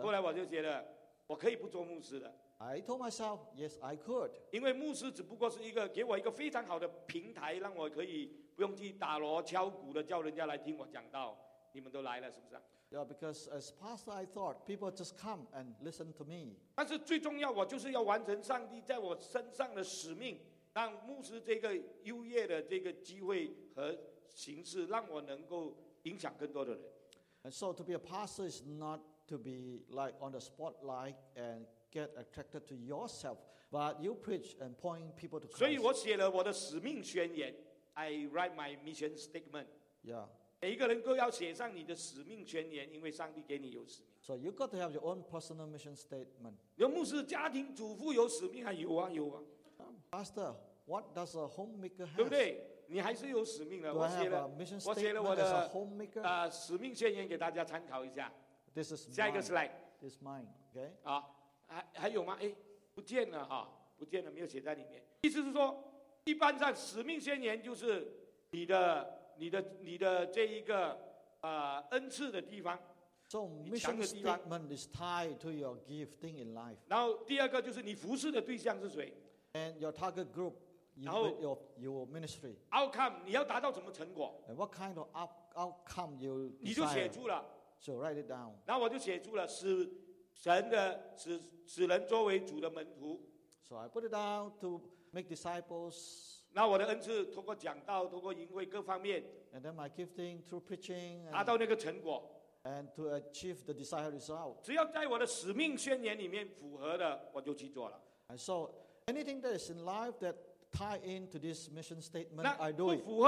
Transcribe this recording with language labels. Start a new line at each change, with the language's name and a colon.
Chinese: 后来我就觉得我可以不做牧师的。
English: I told myself, yes, I could.
Chinese: 因为牧师只不过是一个给我一个非常好的平台，让我可以不用去打锣敲鼓的叫人家来听我讲道。你们都来了，是不是？
English: Yeah, because as pastor, I thought people just come and listen to me.
Chinese: 但是最重要，我就是要完成上帝在我身上的使命，让牧师这个优越的这个机会和形式，让我能够影响更多的人。
English: And so to be a pastor is not to be like on the spotlight and get attracted to yourself, but you preach and point people to Christ.
Chinese: 所以我写了我的使命宣言。
English: I write my mission statement. Yeah.
Chinese: 每一个人都要写上你的使命宣言，因为上帝给你有使命。
English: So you got to have your own personal mission statement.
Chinese: 有牧师家庭主妇有使命啊，有啊有啊。
English: Pastor, what does a homemaker have?
Chinese: 对不对？你还是有使命的。
English: Do I have a mission statement as a homemaker?
Chinese: 使命宣言给大家参考一下。
English: This is
Chinese: 下一个 slide.
English: This is mine. Okay.
Chinese: 啊，还有吗？哎，不见了哈，不见了，没有写在里面。意思是说，一般上使命宣言就是你的这一个恩赐的地方。
English: So mission statement is tied to your gifting in life.
Chinese: 然后第二个就是你服事的对象是谁。
English: And your target group. Your ministry
Chinese: outcome, 你要达到什么成果？
English: And what kind of outcome you desire?
Chinese: 你就写住了。
English: So write it down.
Chinese: 那我就写住了，使神的使人作为主的门徒。
English: So I put it down to make disciples.
Chinese: 那我的恩赐通过讲道，通过营会各方面。
English: And then my gifting through preaching.
Chinese: 达到那个成果。
English: And to achieve the desired result.
Chinese: 只要在我的使命宣言里面符合的，我就去做了。
English: And so anything that is in life that tie into this mission statement, I do it.